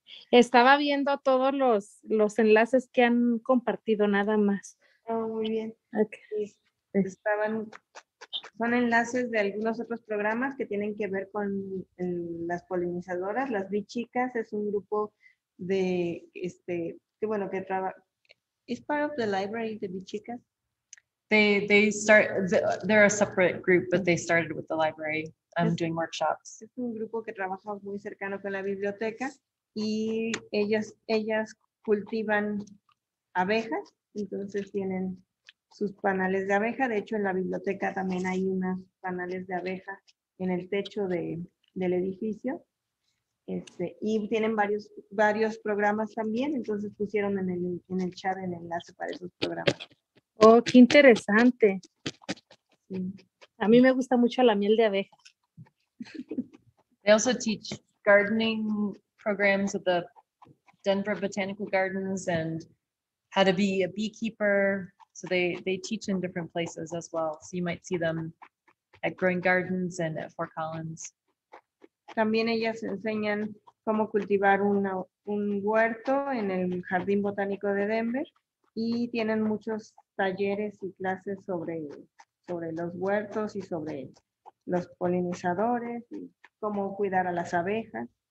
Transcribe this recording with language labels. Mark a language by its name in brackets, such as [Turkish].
[Spanish] Estaba viendo todos los enlaces que han compartido, nada más. Oh, muy bien. Okay. Son enlaces de algunos otros programas que tienen que ver con las polinizadoras. Las Bee Chicas es un grupo de, que trabaja. [English] Is part of the library the Bee Chicas? They're a separate group, but they started with the library. Doing workshops. [Spanish] Es un grupo que trabaja muy cercano con la biblioteca, y ellas cultivan abejas, entonces tienen sus panales de abeja. De hecho, en la biblioteca también hay unas panales de abeja en el techo del edificio. Y tienen varios programas también, entonces pusieron en el chat el enlace para esos programas. Oh, qué interesante. A mí me gusta mucho la miel de abeja. [English] They also teach gardening programs at the Denver Botanical Gardens and how to be a beekeeper. So they teach in different places as well. So you might see them at Growing Gardens and at Fort Collins. [Spanish] También ellas enseñan cómo cultivar un huerto en el Jardín Botánico de Denver, y tienen muchos talleres y clases sobre los huertos y sobre los polinizadores y cómo cuidar a las abejas.